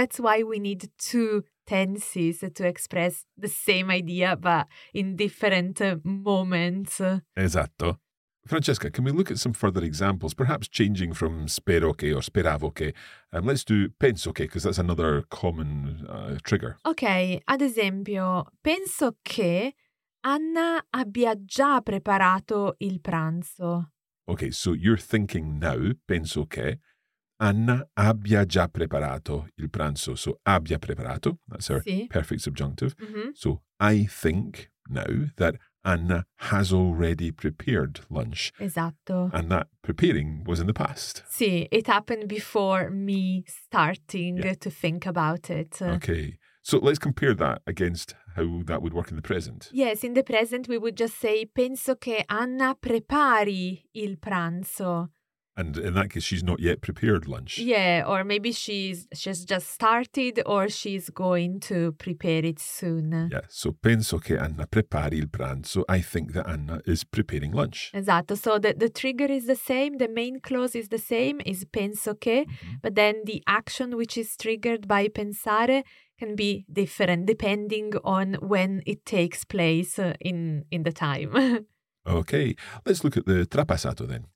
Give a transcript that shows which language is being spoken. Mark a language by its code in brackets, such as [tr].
[en] That's why we need to tenses to express the same idea but in different moments. [it] Esatto. [en] Francesca, can we look at some further examples, perhaps changing from spero che or speravo che? Let's do penso che, because that's another common trigger. [it] Okay, ad esempio, penso che Anna abbia già preparato il pranzo. [en] Okay, so you're thinking now, [it] penso che, Anna abbia già preparato il pranzo. [en] So, [it] abbia preparato. [en] That's her perfect subjunctive. Mm-hmm. So, I think now that Anna has already prepared lunch. [it] Esatto. [en] And that preparing was in the past. Sì, it happened before me starting to think about it. Okay. So let's compare that against how that would work in the present. Yes, in the present we would just say, [it] penso che Anna prepari il pranzo. [en] And in that case, she's not yet prepared lunch. Yeah, or maybe she's just started or she's going to prepare it soon. Yeah, so [it] penso che Anna prepari il pranzo. [en] I think that Anna is preparing lunch. [it] Esatto, [en] so the trigger is the same. The main clause is the same, is [it] penso che. [en] Mm-hmm. But then the action which is triggered by pensare can be different depending on when it takes place in the time. Okay, let's look at the trapassato then.